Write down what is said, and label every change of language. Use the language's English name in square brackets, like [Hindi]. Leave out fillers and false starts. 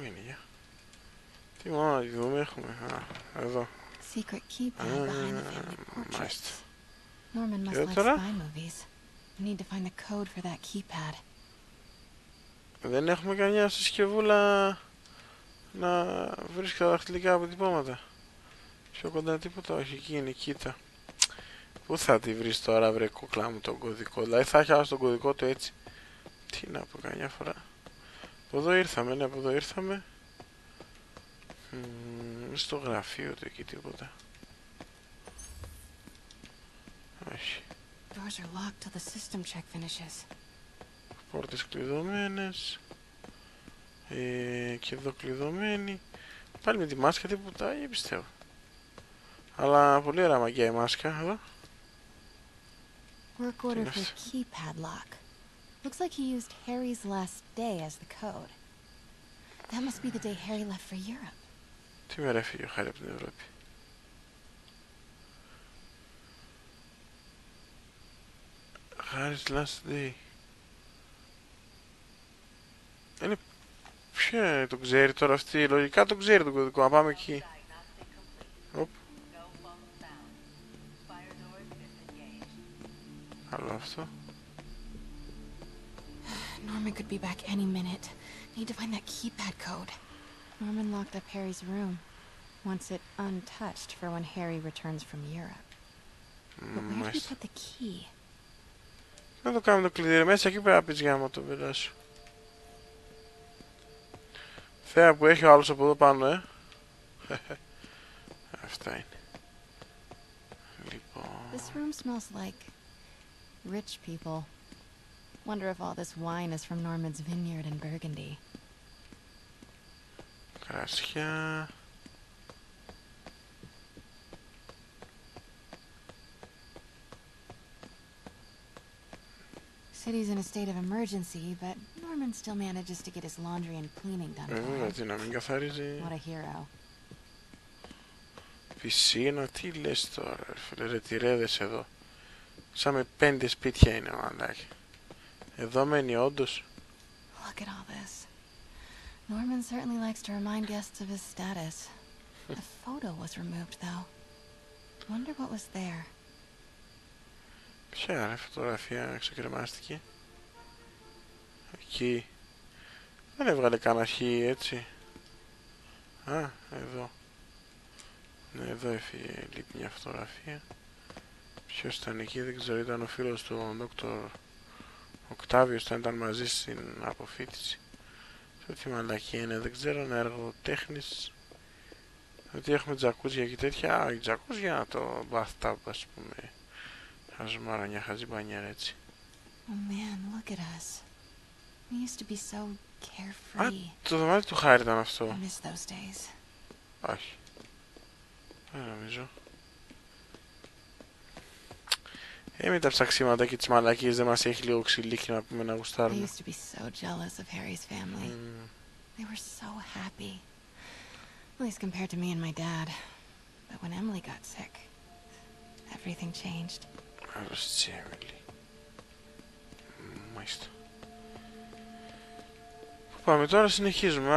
[Greek] Πού είναι, για. Τι μόνο, δούμε, έχουμε. Α, εδώ. [English] Secret keep right behind the family portraits. [Greek] Μάλιστα. [English] Norman must like spy movies. We need to find the code for that keypad. [Greek] Δεν έχουμε καμιά συσκευούλα να βρίσκει τα δαχτυλικά αποτυπώματα. Πιο κοντά τίποτα, όχι εκεί είναι η κοίτα. Πού θα τη βρεις τώρα βρε κουκλά μου τον κωδικό, δηλαδή θα έχει άλλο τον κωδικό του έτσι. Τι να πω καμιά φορά. Από εδώ ήρθαμε, ναι από εδώ ήρθαμε. Στο γραφείο του εκεί τίποτα. Όχι. [English] Doors are locked till the system check finishes. [Greek] Πόρτες κλειδωμένες. Και εδώ κλειδωμένοι. Πάλι με τη μάσκα τίποτα, δεν πιστεύω. Αλλά πολύ ωραία μαγεία η μάσκα εδώ. [English] Work order for keypad lock. Looks like he used Harry's last day as the code. That must be the day Harry left for Europe. [Greek] Τι μέρα έφυγε ο Χάρη από την Ευρώπη. [English] Harry's last day. [Greek] Είναι... Ποια το ξέρει τώρα αυτή, λογικά το ξέρει το κωδικό, να πάμε εκεί. Οπ. Καλό αυτό. [English] Norman could be back any minute. Need to find that keypad code. Norman locked up Harry's room. Wants it untouched for when Harry returns from Europe. But where did he put the key? [Greek] Να το κάνουμε το κλειδί μέσα εκεί πέρα πεις γάμο το παιδά σου. Θέα που έχει ο άλλος από εδώ πάνω, ε. Αυτά είναι. Λοιπόν... [English] This room smells like... rich people. Wonder if all this wine is from Norman's vineyard in Burgundy. [Greek] Κρασιά... [English] City's in a state of emergency, but Norman still manages to get his laundry and cleaning done. [Greek] Βέβαια, τι να μην καθαρίζει. [English] What a hero. [Greek] πισίνα, τι λες τώρα, φίλε, ρε, τι ρέδες εδώ. Σαν με πέντε σπίτια είναι, μαλάκι. Εδώ μένει όντως. [English] Look at all this. Norman certainly likes to remind guests of his status. A photo was removed, though. Wonder what was there. [Greek] Ποια ρε φωτογραφία ξεκρεμάστηκε. Εκεί. Δεν έβγαλε καν αρχή, έτσι. Α, εδώ. Ναι, εδώ έφυγε, λείπει μια φωτογραφία. Ποιος ήταν εκεί, δεν ξέρω, ήταν ο φίλος του, ο Δόκτωρ Οκτάβιος, όταν ήταν μαζί στην αποφύτηση. Τι μαλακία είναι, δεν ξέρω, ένα έργο τέχνης. Ότι έχουμε τζακούζια και τέτοια, α, η τζακούζια, το bathtub, ας πούμε. Ας μάρα μια χαζή μπανιέρα, έτσι. [English] Oh man, look at us. We used to be so carefree. [Greek] Α, το δωμάτιο του Χάρη ήταν αυτό. [English] I miss those days. [Greek] Όχι. Δεν νομίζω. Με τα ψαξίματα και τις μαλακίες δεν μας έχει λίγο ξυλίκι να πούμε να γουστάρουμε. [English] They used to be so jealous of Harry's family. They were so happy. At least compared to me and my dad. But when Emily got sick, everything changed. [Greek] Άρρωστησε η Emily. Μάλιστα. Πού πάμε τώρα, συνεχίζουμε.